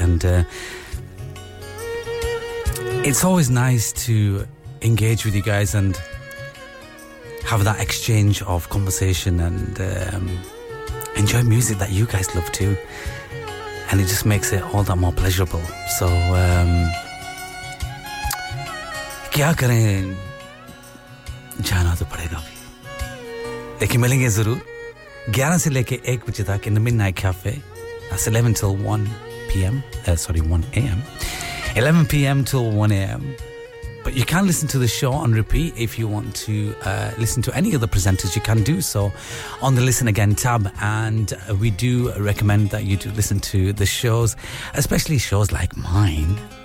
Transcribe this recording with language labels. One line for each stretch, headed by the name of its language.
English: And it's always nice to engage with you guys, and have that exchange of conversation and enjoy music that you guys love too. And it just makes it all that more pleasurable.
Hindi: So, क्या करें जाना तो पड़ेगा अभी लेकिन मिलेंगे जरूर 11 से लेके 1 बजे तक in the midnight cafe
English: That's 11 till 1 p.m. 1 a.m. 11 p.m. till 1 a.m. But you can listen to the show on repeat if you want to listen to any of the presenters. You can do so on the Listen Again tab. And we do recommend that you do listen to the shows, especially shows like mine.